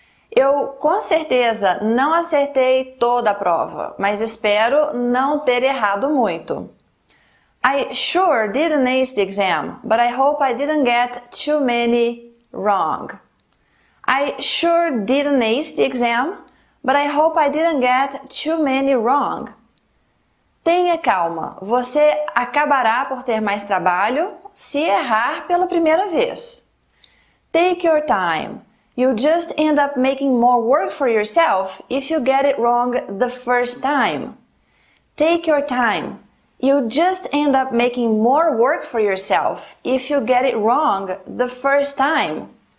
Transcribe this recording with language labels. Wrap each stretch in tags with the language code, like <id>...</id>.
<pt>Eu com certeza não acertei toda a prova, mas espero não ter errado muito.</pt> <en>I sure didn't ace the exam, but I hope I didn't get too many wrong. I sure didn't ace the exam, but I hope I didn't get too many wrong.</en> <pt>Tenha calma, você acabará por ter mais trabalho se errar pela primeira vez.</pt> <en>Take your time. You'll just end up making more work for yourself if you get it wrong the first time. Take your time. You'll just end up making more work for yourself if you get it wrong the first time.</en>